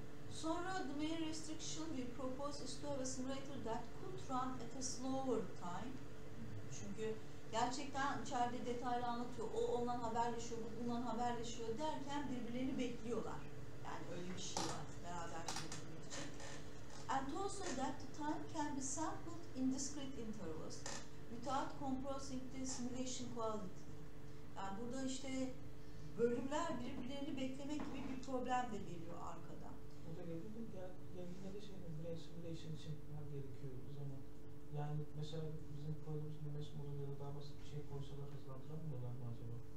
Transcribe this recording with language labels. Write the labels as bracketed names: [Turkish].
[Turkish] Sonra [English] the main restriction we propose is to have a simulator that could run at a slower time. [Turkish] Çünkü gerçekten içeride detaylı anlatıyor. O onunla haberleşiyor, bu bununla haberleşiyor derken birbirlerini bekliyorlar. Yani öyle bir şey var beraber çalışmak için. [English] And also that the time can be sampled in discrete intervals without compromising the simulation quality. [Turkish] Yani burada işte bölümler birbirlerini beklemek gibi bir problem de geliyor arkadan. O da geldi mi? Geldiğinde de şey mi? Simulation için gerekiyor o zaman. Yani mesela bizim kodumuz bir mesh modeli ya da daha basit bir şey koysalar hızlandıramıyorlar mı acaba?